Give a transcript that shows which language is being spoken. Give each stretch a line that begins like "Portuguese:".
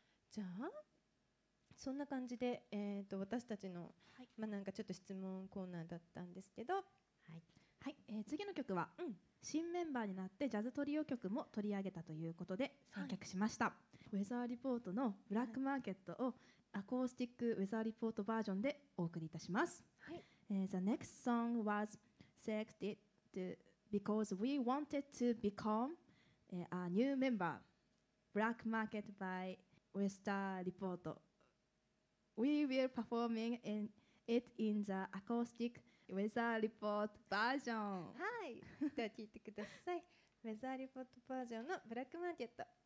Japanese: じゃあそんな感じで、私たちの、はい、まあ、なんかちょっと質問コーナーだったんですけど、はいはい、次の曲は、うん、新メンバーになってジャズトリオ曲も取り上げたということで選曲しました、はい、ウェザーリポートのブラックマーケットをアコースティックウェザーリポートバージョンでお送りいたします、はい、
English: The next song was selected to because we wanted to become a new member Black Market by ウェザーリポート。 We will performing in it in the acoustic weather report version.
Japanese: はい、では聞いてください。weather report バージョンのブラックマーケット。